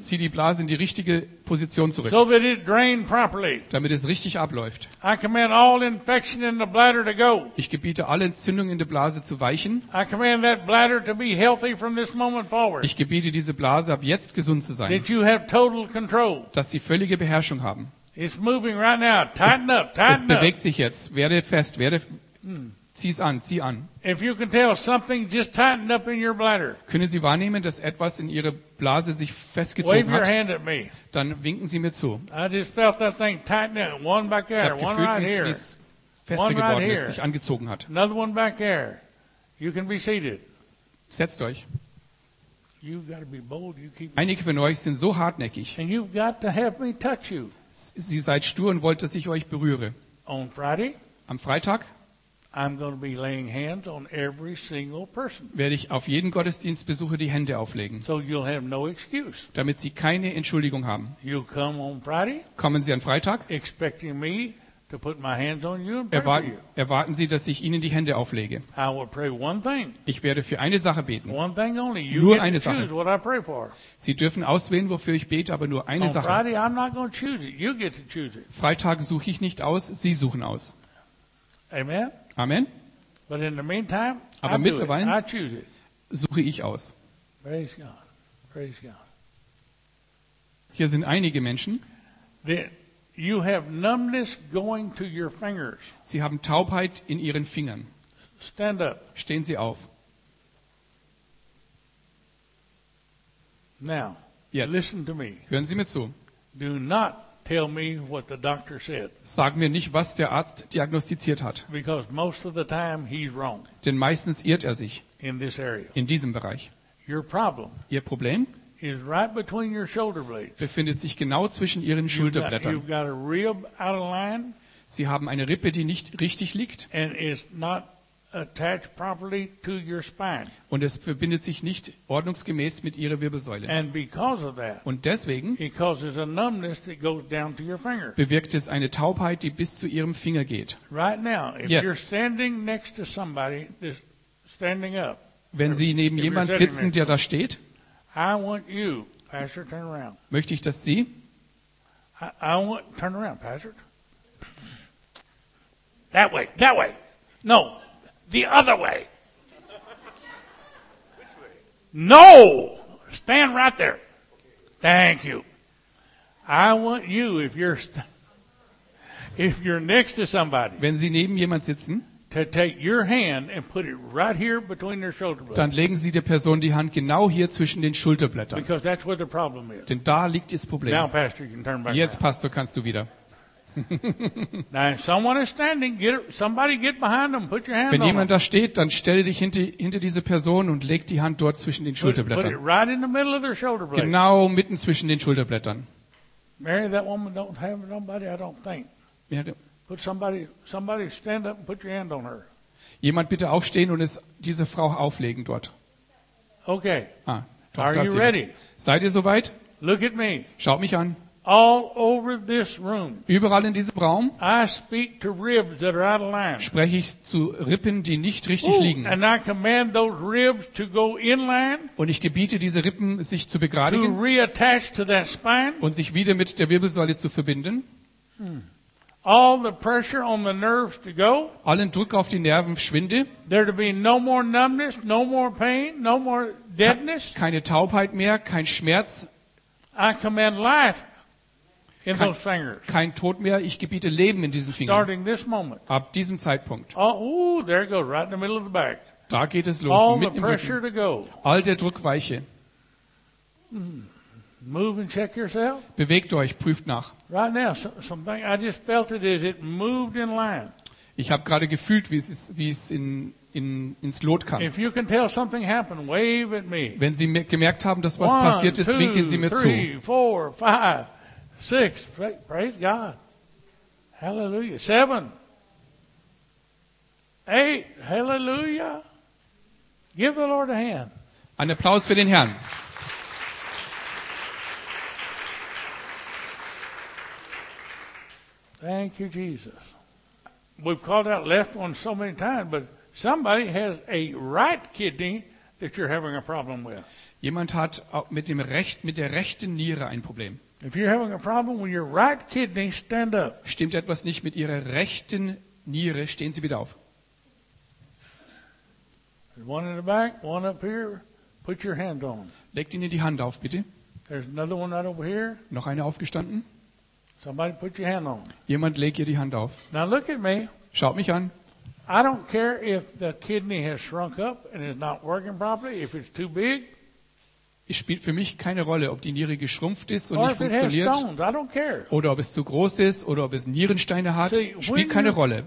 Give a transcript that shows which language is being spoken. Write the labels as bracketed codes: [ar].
[de] Zieh die Blase in die richtige Position zurück. [en] So that it drain properly. [de] Damit es richtig abläuft. [en] I command all infection in the bladder to go. [de] Ich gebiete alle Entzündungen in der Blase zu weichen. [en] I command that bladder to be healthy from this moment forward. [de] Ich gebiete diese Blase ab jetzt gesund zu sein. [en] That you have total control. [de] Dass Sie völlige Beherrschung haben. [en] It's moving right now. Tighten up. Tighten up. [de] Es bewegt sich jetzt. Werde fest. Werde. Zieh's an, zieh an. [en] If you can tell, something just tightened up in your bladder. [de] Können Sie wahrnehmen, dass etwas in Ihrer Blase sich festgezogen hat? [en] Wave your hand at me. [de] Dann winken Sie mir zu. [en] I just felt that thing tighten up. One back there, one right here. [de] Ich habe gefühlt, wie es fester geworden ist, sich angezogen hat. [en] Another one back there. You can be seated. [de] Setzt euch. [en] You've got to be bold. You keep. [de] Einige von euch sind so hartnäckig. [en] And you've got to have me touch you. [de] Sie seid stur und wollt, dass ich euch berühre. [en] On Friday. [de] Am Freitag. [en] I'm going to be laying hands on every single person. [de] Werde ich auf jeden Gottesdienstbesucher die Hände auflegen. [en] So you'll have no excuse. [de] Damit Sie keine Entschuldigung haben. [en] You'll come on Friday. [de] Kommen Sie an Freitag. [en] Expecting me to put my hands on you and pray for you. [de] Erwarten Sie, dass ich Ihnen die Hände auflege. [en] I will pray one thing. [de] Ich werde für eine Sache beten. [en] One thing only. You [de] nur eine Sache. [en] Choose what I pray for. [de] Sie dürfen auswählen, wofür ich bete, aber nur eine [en] on [de] Sache. [en] Friday, I'm not going to choose it. You get to choose it. [de] Freitag suche ich nicht aus, Sie suchen aus. [en] Amen. [de] Amen. [en] But in the meantime, [de] aber mittlerweile [en] I choose it. [de] Suche ich aus. [en] Praise God. Praise God. [de] Hier sind einige Menschen. [en] You have numbness going to your fingers. [de] Sie haben Taubheit in ihren Fingern. [en] Stand up. [de] Stehen Sie auf. [en] Now, [de] jetzt. [en] Listen to me. [de] Hören Sie mir zu. [en] Do not tell me what the doctor said. [de] Sag mir nicht, was der Arzt diagnostiziert hat. [en] Because most of the time he's wrong. [de] Denn meistens irrt er sich. [en] In this area. [de] In diesem Bereich. [en] Your problem. [de] Ihr Problem. [en] Is right between your shoulder blades. [de] Befindet sich genau zwischen Ihren Schulterblättern. [en] You've got a rib out of line. [de] Sie haben eine Rippe, die nicht richtig liegt. [en] And is not attached properly to your spine. [de] Und es verbindet sich nicht ordnungsgemäß mit Ihrer Wirbelsäule. [en] And because of that, [de] und deswegen [en] it causes a numbness that goes down to your finger. [de] Bewirkt es eine Taubheit, die bis zu Ihrem Finger geht. [en] Right now, if [de] jetzt. [en] You're standing next to somebody that's standing up, [de] wenn Sie neben jemandem sitzen, der da steht, [en] I want you, Pastor, turn around. [de] Möchte ich, dass Sie [en] turn around, Pastor. That way, that way. No. The other way. No! Stand right there. Thank you. I want you, if you're next to somebody, [de] wenn Sie neben jemand sitzen, [en] to take your hand and put it right here between their shoulder blades. [de] Dann legen Sie der Person die Hand genau hier zwischen den Schulterblättern. [en] Because that's where the problem is. [de] Denn da liegt das Problem. [en] Now, Pastor, you can turn back [de] jetzt, Pastor, kannst du wieder. [en] Now, if someone is standing, get behind them. Put your hand. [de] Wenn jemand da steht, dann stell dich hinter diese Person und leg die Hand dort zwischen den Schulterblättern. [en] Put it right in the middle of their shoulder blade. [de] Genau mitten zwischen den Schulterblättern. [en] Mary, that woman don't have nobody, I don't think. Put somebody stand up and put your hand on her. [de] Jemand bitte aufstehen und es diese Frau auflegen dort. [en] Okay. Ah, [de] doch, [en] are you ready? [de] Seid ihr soweit? [en] Look at me. [de] Schaut mich an. [en] All over this room. [de] Überall in diesem Raum. [en] I speak to ribs that are out of line. [de] Spreche ich zu Rippen, die nicht richtig liegen. [en] And I command those ribs to go inland. [de] Und ich gebiete diese Rippen, sich zu begradigen. [en] To reattach to that spine. [de] Und sich wieder mit der Wirbelsäule zu verbinden. [en] All the pressure on the nerves to go. [de] Allen Druck auf die Nerven schwinde. [en] There to be no more numbness, no more pain, no more deadness. [de] Keine Taubheit mehr, kein Schmerz. [en] I command life. In those fingers. [de] Kein Tod mehr. Ich gebiete Leben in diesen Fingern. [en] Starting this moment. [de] Ab diesem Zeitpunkt. [en] Oh, there it goes, right in the middle of the back. [de] Da geht es los. [en] All the pressure to go. [de] All der Druck weiche. [en] Move and check yourself. [de] Bewegt euch, prüft nach. [en] Right now, something I just felt it as it moved in line. [de] Ich habe gerade gefühlt, wie es ins Lot kam. [en] If you can tell something happened, wave at me. [de] Wenn Sie gemerkt haben, dass was passiert ist, winken Sie mir zu. [en] 6, praise God. Hallelujah. 7, 8, hallelujah. Give the Lord a hand. [de] Ein Applaus für den Herrn. [en] Thank you, Jesus. We've called out left one so many times, but somebody has a right kidney that you're having a problem with. [de] Jemand hat mit der rechten Niere ein Problem. [en] If you're having a problem with your right kidney, stand up. [de] Stimmt etwas nicht mit Ihrer rechten Niere? Stehen Sie bitte auf. [en] One in the back, one up here. Put your hand on. [de] Legt Ihnen die Hand auf, bitte. [en] There's another one right over here. [de] Noch eine aufgestanden. [en] Somebody put your hand on. [de] Jemand legt ihr die Hand auf. [en] Now look at me. [de] Schaut mich an. [en] I don't care if the kidney has shrunk up and is not working properly, if it's too big. [de] Es spielt für mich keine Rolle, ob die Niere geschrumpft ist und nicht funktioniert, oder ob es zu groß ist, oder ob es Nierensteine hat, spielt keine Rolle.